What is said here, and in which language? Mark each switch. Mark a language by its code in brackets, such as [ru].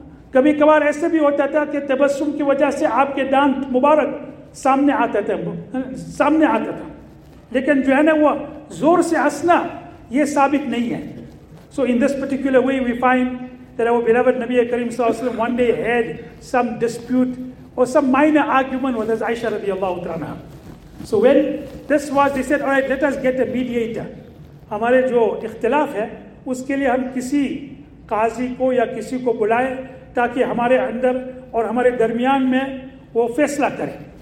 [ur] کبھی کبھار ایسے بھی ہوتا تھا کہ تبسم کی وجہ سے آپ کے دانت مبارک سامنے آتا تھا لیکن جو ہے نا وہ زور سے ہنسنا یہ ثابت نہیں ہے. [en] So in this particular way we find that our beloved نبی کریم صلی اللہ علیہ وسلم one day had some dispute اور some minor argument with Aisha رضی اللہ تعالیٰ عنہا. So when this was, they said, all right, let us get a mediator. [ur] ہمارے جو اختلاف ہے اس کے لیے ہم کسی قاضی کو یا کسی کو بلائیں تاکہ ہمارے اندر اور ہمارے درمیان میں وہ فیصلہ کرے.